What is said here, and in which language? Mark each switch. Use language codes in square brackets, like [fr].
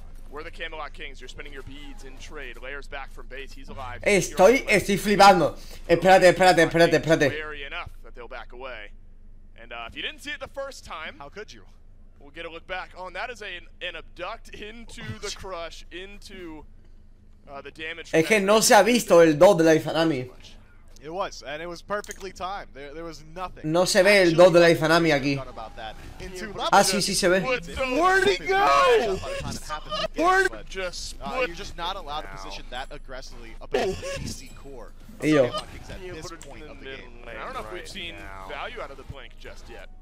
[en] We're the Camelot Kings. You're spending your beads in trade. Layers back from base. He's alive. [es] Estoy flipando. Espérate. [en] Wary enough that they'll back away. And if you didn't see it the first time, how could you? We'll get a look back. Oh, and that is an abduct into the crush, into... [es] es que no se ha visto el 2 de la Izanami. [en] It was, and it was perfectly timed. There was nothing. [es] No se ve el 2 de la Izanami aquí. Ah, sí, sí se ve. [en] Where'd he go? You're just not allowed to position that aggressively above the PC core. [es] Y yo. [en] I don't know if we've seen value out of the blink just yet.